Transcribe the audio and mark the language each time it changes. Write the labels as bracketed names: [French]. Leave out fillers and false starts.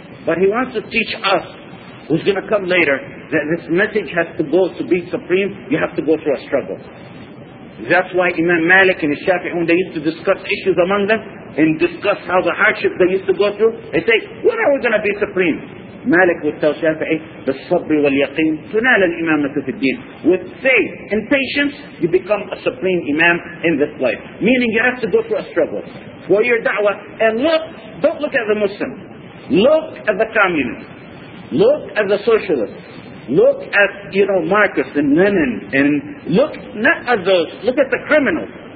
[English] But he wants to teach us, who's going to come later, that this message has to go to be supreme, you have to go through a struggle. That's why Imam Malik and Shafi'i, when they used to discuss issues among them, and discuss how the hardship they used to go through, they say, when are we going to be supreme? Malik would tell Shafi'i, [Arabic] بِالصَّبْرِ وَالْيَقِينِ تُنَالَ الْإِمَامَةُ فِي الدِّينِ. [English] With faith and patience, you become a supreme imam in this life. Meaning you have to go through a struggle for your da'wah. And look, don't look at the Muslim. Look at the communist. Look at the socialist. Look at, you know, Marcus and Lenin. And look, not at those, look at the criminals.